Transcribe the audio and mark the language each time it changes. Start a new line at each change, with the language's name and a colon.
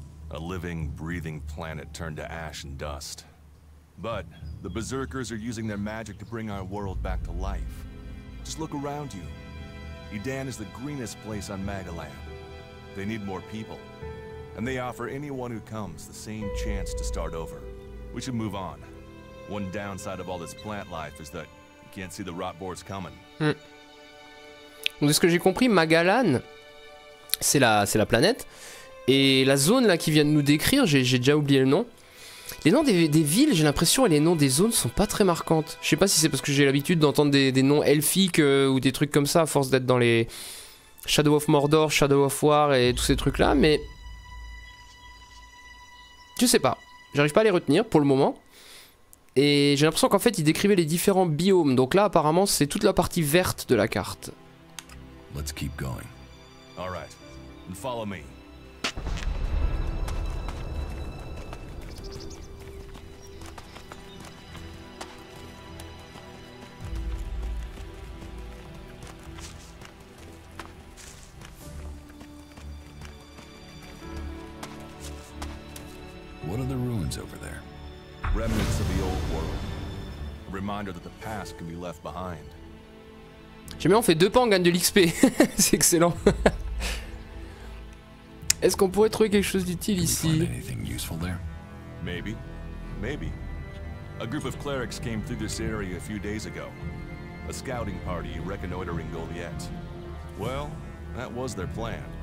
English: A living, breathing planet turned to ash and dust. But the Berserkers are using their magic to bring our world back to life. Just look around you. Edan is the greenest place on Magalan. They need more people. And they offer anyone who comes the same chance to start over. We should move on. One downside of all this plant life is that you can't see the rot boards coming.
French: Donc, de ce que j'ai compris, Magalan, c'est la planète. Et la zone là qui vient de nous décrire, j'ai déjà oublié le nom. Les noms des villes, j'ai l'impression, et les noms des zones sont pas très marquantes. Je sais pas si c'est parce que j'ai l'habitude d'entendre des noms elfiques ou des trucs comme ça, à force d'être dans les Shadow of Mordor, Shadow of War et tous ces trucs là, mais... Je sais pas, j'arrive pas à les retenir pour le moment. Et j'ai l'impression qu'en fait ils décrivaient les différents biomes, donc là apparemment c'est toute la partie verte de la carte.
English: Let's keep going. All right. And follow me. What are the ruins over there? Remnants of the old world. A reminder that the past can be left behind.
French: Jamais on fait deux pas, on gagne de l'XP. C'est excellent. Est-ce qu'on pourrait trouver quelque chose d'utile ici?
English: Maybe. Maybe. A group of clerics came through this area a few days ago. A scouting party reconnoitering Goliath. Well, that was their plan.